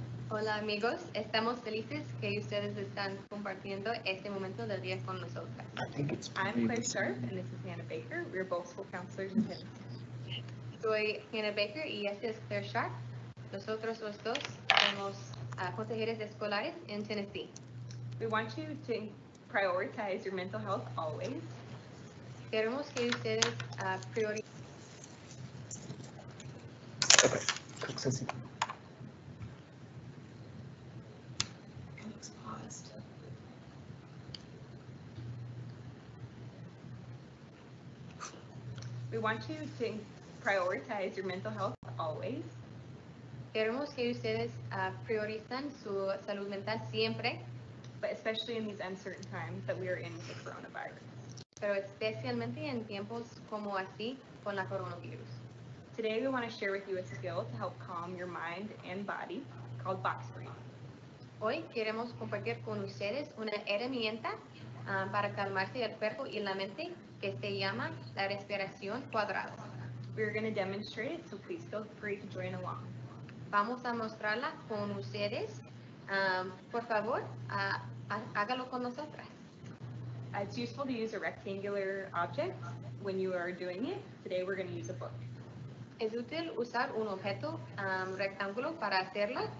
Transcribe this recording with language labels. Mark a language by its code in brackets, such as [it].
[es] Hola amigos, estamos felices que ustedes están compartiendo este momento del día con nosotras. [en] I'm Claire Sharp and this is Hannah Baker. We're both school counselors and parents. [es] Soy Hannah Baker y este es Claire Sharp. Nosotros los dos somos consejeros escolares en Tennessee. [en] We want you to prioritize your mental health always. [es] Queremos que ustedes priori. [en] Okay. Cook says he. Cook's paused. We want you to prioritize your mental health always. [es] Queremos que ustedes priorizan su salud mental siempre. [en] But especially in these uncertain times that we are in with the coronavirus. [es] Pero especialmente en tiempos como así con la coronavirus. [en] Today we want to share with you a skill to help calm your mind and body called box breathing. [es] Hoy queremos compartir con ustedes una herramienta para calmarse el cuerpo y la mente que se llama la respiración cuadrada. [en] We are going to demonstrate it, so please feel free to join along. [es] Vamos a mostrarla con ustedes. Por favor, hágalo con nosotras. [en] It's useful to use a rectangular object when you are doing it. Today we're going to use a book. [es] Es útil usar un objeto rectángulo para hacerla.